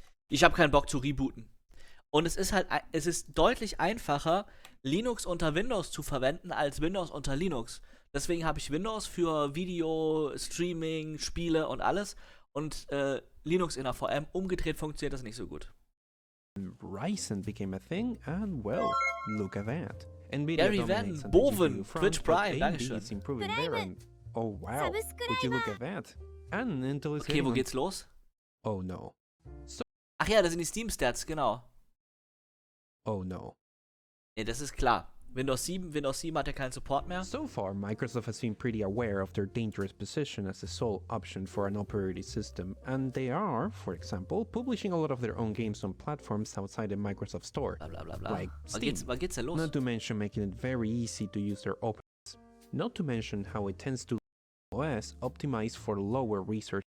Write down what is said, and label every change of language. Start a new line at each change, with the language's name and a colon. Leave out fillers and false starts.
German: Ich habe keinen Bock zu rebooten. Und es ist deutlich einfacher, Linux unter Windows zu verwenden, als Windows unter Linux. Deswegen habe ich Windows für Video, Streaming, Spiele und alles. Und Linux in der VM, umgedreht funktioniert das nicht so gut.
English: Ryzen became a thing and well, look at that.
German: Gary Van Boven, Twitch Prime, dankeschön.
English: Oh wow, would you look at that? And Intel is okay,
German: wo geht's los?
English: Oh no.
German: Ach ja, das sind die Steam-Stats, genau.
English: Oh no.
German: Nee, das ist klar. Windows 7 hat ja keinen Support mehr.
English: So far, Microsoft has been pretty aware of their dangerous position as the sole option for an operating system. And they are, for example, publishing a lot of their own games on platforms outside the Microsoft Store. Bla bla bla bla. Like Steam.
German: Was geht's denn los?
English: Not to mention making it very easy to use their open. Not to mention how it tends to OS optimized for lower resources.